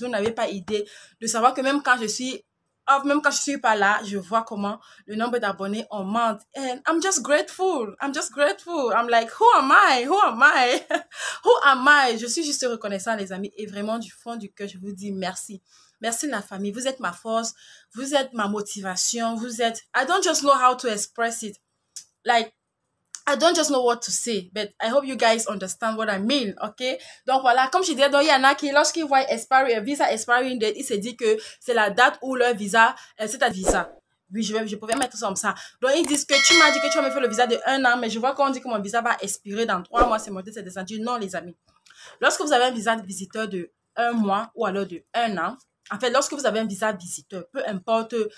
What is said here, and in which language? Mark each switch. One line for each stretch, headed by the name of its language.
French: Vous n'avez pas idée de savoir que même quand je suis off, même quand je suis pas là, je vois comment le nombre d'abonnés augmente.
English: And I'm just grateful. I'm just grateful. I'm like, who am I? Who am I? Who am I?
French: Je suis juste reconnaissant, les amis. Et vraiment, du fond du cœur, je vous dis merci. Merci, la famille. Vous êtes ma force. Vous êtes ma motivation. Vous êtes.
English: I don't just know how to express it. Like, I don't just know what to say, but I hope you guys understand what I mean, okay?
French: Donc voilà, comme je disais, donc il y en a qui, lorsqu'ils voient
English: expiry, visa expiring date,
French: ils se disent que c'est la date où leur visa, c'est un visa. Oui, je pouvais mettre ça comme ça. Donc ils disent que tu m'as dit que tu vas me faire le visa de 1 an, mais je vois qu'on dit que mon visa va expirer dans 3 mois, c'est monté, c'est descendu. Non, les amis. Lorsque vous avez un visa de visiteur de 1 mois ou alors de 1 an, en fait, lorsque vous avez un visa de visiteur, peu importe.